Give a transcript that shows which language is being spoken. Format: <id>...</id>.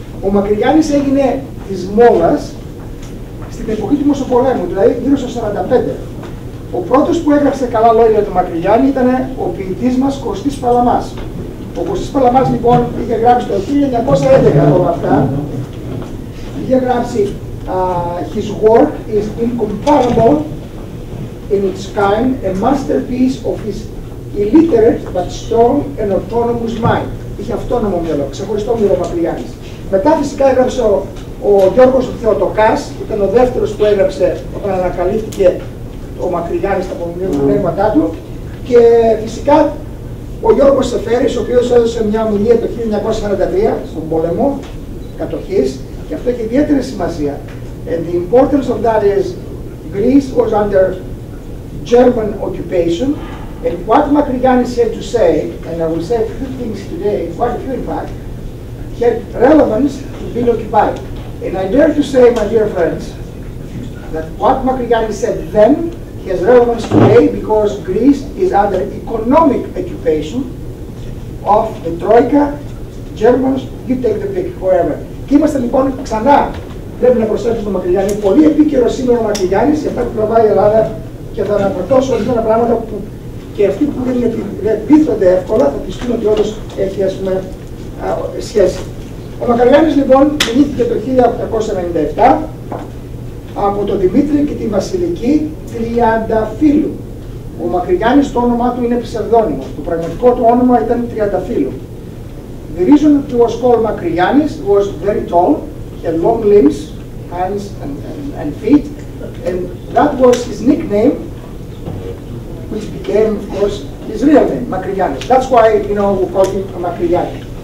<el>Ο Μακρυγιάννης έγινε της Μόλας στην εποχή του Μεσοπολέμου, δηλαδή γύρω στο 45. Ο πρώτος που έγραψε καλά λόγια για τον Μακρυγιάννη ήταν ο ποιητής μας Κωστής Παλαμάς. Ο Κωστής Παλαμάς λοιπόν είχε γράψει το 1911 όλα αυτά. Είχε γράψει</el> <en>«His work is incomparable in its kind, a masterpiece of his illiterate but strong and autonomous mind».</en> <el>Είχε αυτόνομο μυαλό, ξεχωριστό μυαλό Μακρυγιάννης. Μετά φυσικά έγραψε ο Γιώργος Θεοτοκάς, ήταν ο δεύτερος που έγραψε όταν ανακαλύφθηκε ο Μακρυγιάννης τα απομνημονεύματά του. Και φυσικά ο Γιώργος Σεφέρης, ο οποίος έδωσε μια ομιλία το 1943 στον πόλεμο κατοχής, και αυτό έχει ιδιαίτερη σημασία.</el> <en>And the importance of that is Greece was under German occupation and what Μακρυγιάννης had to say, and I will say a few things today, quite a few in fact, had relevance to being occupied. And I dare to say, my dear friends, that what Μακρυγιάννη said then has relevance today because Greece is under economic occupation of the Troika, Germans, you take the pick, whoever.</en> <el>Και είμαστε λοιπόν ξανά, πρέπει να προσέξουμε τον Μακρυγιάννη, πολύ επίκαιρο σήμερα ο Μακρυγιάννης για αυτά που προβάει η Ελλάδα και θα αναφερθώ σε ορισμένα πράγματα που και αυτοί που λένε ότι δεν πείθονται εύκολα θα πιστούν ότι όντως έχει, ας πούμε, σχέση. Ο Μακαριάνης λοιπόν γεννήθηκε το 1897 από τον Δημήτρη και τη Βασιλική Τριανταφύλου. Ο Μακαριάνης το όνομά του είναι ψευδόνυμο. Το πραγματικό του όνομα ήταν Τριανταφύλου.</el> <en>The reason he was called Μακριάνης was very tall, had long limbs, hands and feet, and that was his nickname, which became, of course, his real name, Μακριάνης. That's why, you know, we call him Μακριάνη.</en>